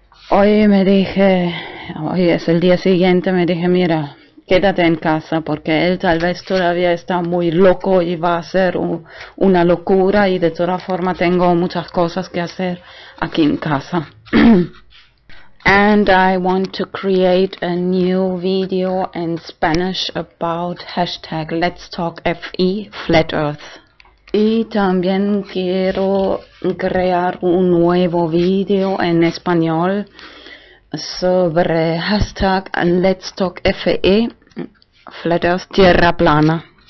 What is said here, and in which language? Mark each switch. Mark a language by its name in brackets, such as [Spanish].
[Spanish] Hoy me dije, hoy es el día siguiente, me dije, mira, quédate en casa porque él tal vez todavía está muy loco y va a ser una locura, y de toda forma tengo muchas cosas que hacer aquí en casa. [English] And I want to create a new video in Spanish about hashtag Let's Talk FE Flat Earth. [Spanish] Y también quiero crear un nuevo video en español sobre hashtag Let's Talk FE, Flat Earth, Tierra Plana.